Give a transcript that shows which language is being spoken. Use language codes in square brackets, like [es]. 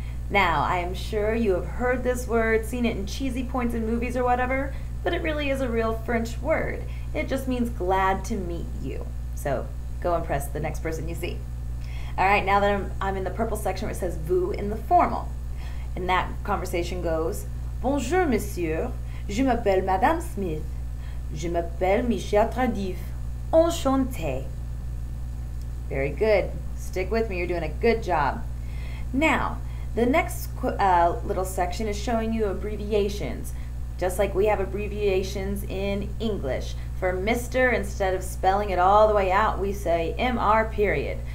[en] Now, I am sure you have heard this word, seen it in cheesy points in movies or whatever, but it really is a real French word. It just means glad to meet you. So go impress the next person you see. All right, now that I'm in the purple section where it says vous in the formal. And that conversation goes, [fr] bonjour, monsieur. Je m'appelle Madame Smith. Je m'appelle Michel Tardif. [en] Enchanté. Very good. Stick with me. You're doing a good job. Now, the next little section is showing you abbreviations, just like we have abbreviations in English. For Mr., instead of spelling it all the way out, we say MR period.